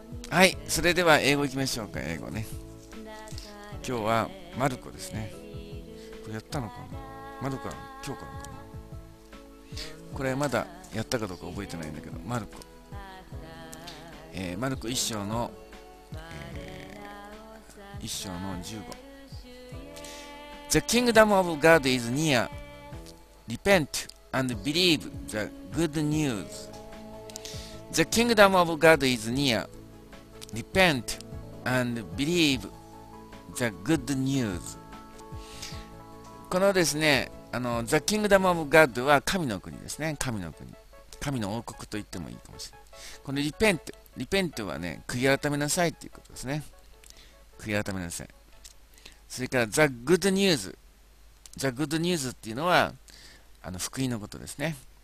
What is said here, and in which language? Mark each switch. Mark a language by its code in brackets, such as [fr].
[ja] はい、それでは英語いきましょうか。英語ね、今日はマルコですね。これやったのかな、マルコは今日からかな、これまだやったかどうか覚えてないんだけど、マルコ、マルコ1章の、1章の15。 [en] The kingdom of God is near. Repent and believe the good news. The kingdom of God is near. Repent and believe the good news. [ja] このですね、あの [en] The kingdom of God [ja] は神の国ですね。神の国、神の王国と言ってもいいかもしれない。この Repent、リペントはね、悔い改めなさいっていうことですね。悔い改めなさい。それから、ザ・グッド・ニューズ。ザ・グッド・ニューズっていうのは、あの、福音のことですね。